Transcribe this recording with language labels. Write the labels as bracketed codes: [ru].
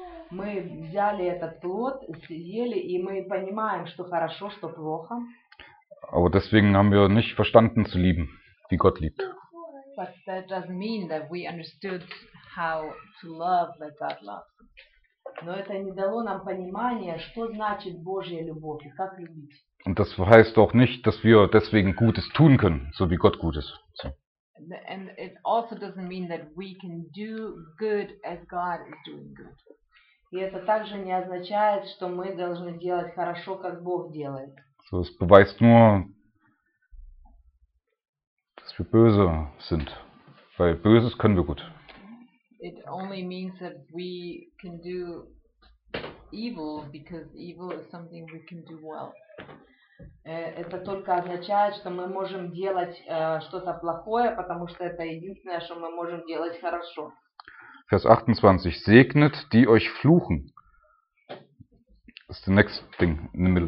[ru] Мы взяли этот плод, съели, и мы понимаем, что хорошо, что плохо. [de] Aber deswegen haben wir nicht verstanden zu lieben, wie Gott liebt. [en] But that doesn't mean that we understood how to love that God loves. [ru] Но это не дало нам понимания, что значит Божья любовь и как любить. [de] Und das heißt auch nicht, dass wir deswegen Gutes tun können, so wie Gott gut ist. So. [en] And it also doesn't mean that we can do good as God is doing good. [ru] И это также не означает, что мы должны делать хорошо, как Бог делает. [de] So, es beweist nur, dass wir böse sind, weil Böses können wir gut. [en] It only means that we can do evil because evil is something we can do well. [ru] Это только означает, что мы можем делать что-то плохое, потому что это единственное, что мы можем делать хорошо. [de] Vers 28. Segnet, die euch fluchen. Das ist [en] the next thing in the middle.